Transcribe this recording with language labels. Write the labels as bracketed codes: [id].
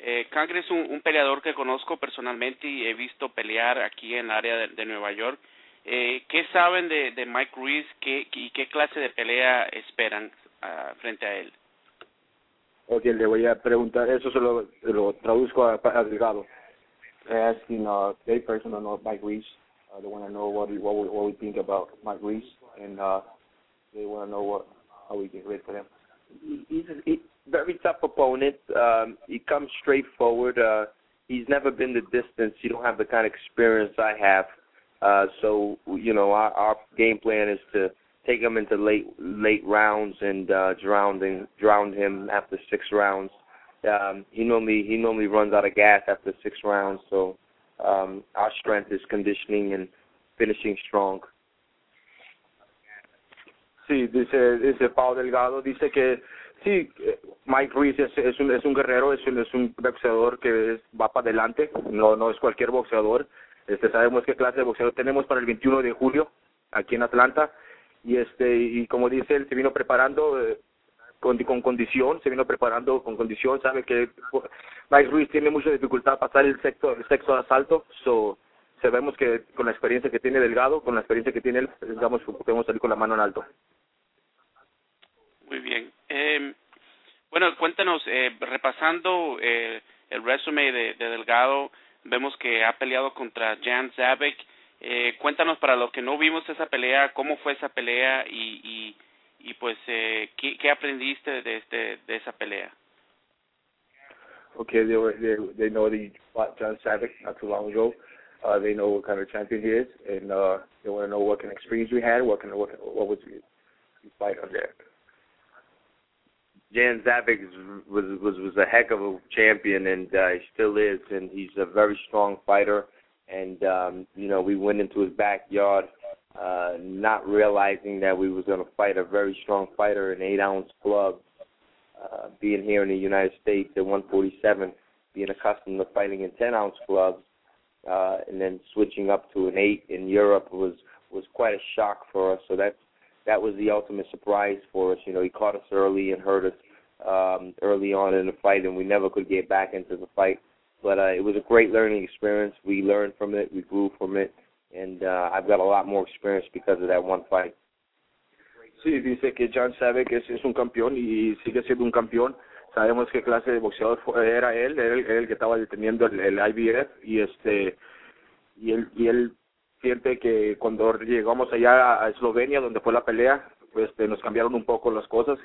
[es] Cangri es un peleador que conozco personalmente y he visto pelear aquí en el área de Nueva York. ¿Qué saben de Mike Ruiz y qué clase de pelea esperan frente a él? Ok, le voy a preguntar, eso se lo traduzco a Delgado. [en] I'm asking a very personal note, Mike Ruiz. They want to know what we think about Mike Ruiz, and they want to know how we get ready for him. He's a very tough opponent. He comes straight forward. He's never been the distance. You don't have the kind of experience I have. So, you know, our game plan is to take him into late rounds and drown him after six rounds. He normally runs out of gas after six rounds, so our strength is conditioning and finishing strong. [es] Sí, dice Pau Delgado, dice que sí, Mike Ruiz es un guerrero, es un boxeador que va para adelante, no es cualquier boxeador. Sabemos qué clase de boxeador tenemos para el 21 de julio aquí en Atlanta, y como dice él, se vino preparando con condición, sabe que Mike Ruiz tiene mucha dificultad para pasar el sexto asalto, so sabemos que con la experiencia que tiene Delgado, con la experiencia que tiene él, digamos, podemos salir con la mano en alto. Muy bien. Bueno, cuéntanos, repasando el resume de Delgado, vemos que ha peleado contra Jan Zabek. Cuéntanos, para los que no vimos esa pelea, ¿cómo fue esa pelea y pues qué aprendiste de esa pelea? [en] Okay, they know that you fought John Savick not too long ago. They know what kind of champion he is, and they want to know what kind of experience we had, what was fight on there. Jan Zavik was a heck of a champion, and he still is, and he's a very strong fighter. And you know, we went into his backyard not realizing that we was going to fight a very strong fighter, an 8-ounce club, being here in the United States at 147, being accustomed to fighting in 10-ounce clubs, and then switching up to an 8 in Europe was quite a shock for us. So that was the ultimate surprise for us. You know, he caught us early and hurt us early on in the fight, and we never could get back into the fight. But it was a great learning experience. We learned from it. We grew from it. And I've got a lot more experience because of that one fight. [es] Sí, dice que John Savick es un campeón y sigue siendo un campeón. Sabemos qué clase de boxeador era él. Era el que estaba deteniendo el IBF. Y él siente que cuando llegamos allá a Eslovenia, donde fue la pelea, nos cambiaron un poco las cosas.